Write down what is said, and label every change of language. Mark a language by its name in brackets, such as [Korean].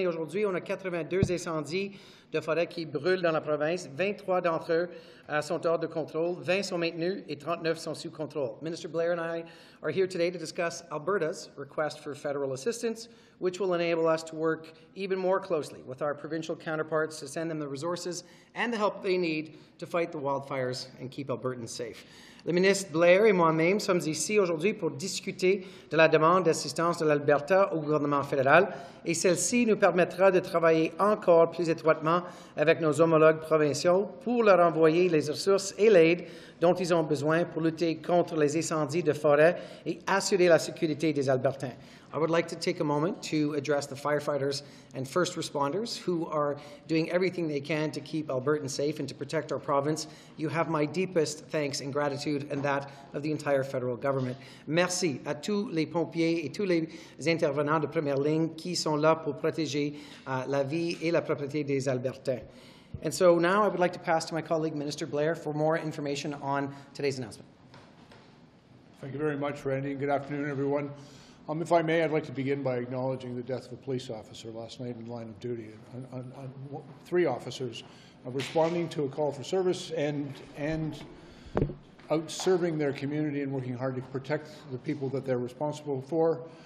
[French] Et aujourd'hui, on a 82 incendies de forêt qui brûlent dans la province. 23 d'entre eux sont hors de contrôle. 20 sont maintenus et 39 sont sous contrôle. [English] Minister Blair and I are here today to discuss Alberta's request for federal assistance, which will enable us to work even more closely with our provincial counterparts to send them the resources and the help they need to fight the wildfires and keep Albertans safe. [French] Le ministre Blair et moi-même sommes ici aujourd'hui pour discuter de la demande d'assistance de l'Alberta au gouvernement fédéral, et celle-ci nous permettra de travailler encore plus étroitement avec nos homologues provinciaux pour leur envoyer les ressources et l'aide dont ils ont besoin pour lutter contre les incendies de forêt et assurer la sécurité des Albertains. [English] I would like to take a moment to address the firefighters and first responders who are doing everything they can to keep Albertans safe and to protect our province. You have my deepest thanks and gratitude and that of the entire federal government. [French] Merci à tous les pompiers et tous les intervenants de première ligne qui sont là pour protéger la vie et la propriété des Albertains. [English] And so now I would like to pass to my colleague, Minister Blair, for more information on today's announcement. Thank you very much, Randy, and good afternoon, everyone. If I may, I'd like to begin by acknowledging the death of a police officer last night in line of duty. Three officers responding to a call for service and out serving their community and working hard to protect the people that they're responsible for.